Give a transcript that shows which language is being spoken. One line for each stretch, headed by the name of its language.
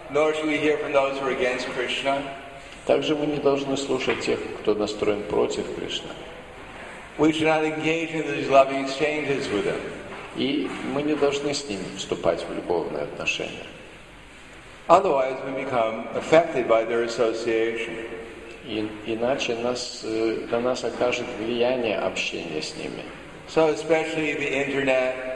English: Nor should we hear from those who are against Krishna.
Russian: Также мы не должны слушать тех, кто настроен против Кришны.
English: We should not engage in these loving exchanges with them.
Russian: И мы не должны с ними вступать в любовные отношения.
English: Otherwise, we become affected by their association.
Russian: Иначе на нас окажет влияние общения с ними.
English: So especially the internet.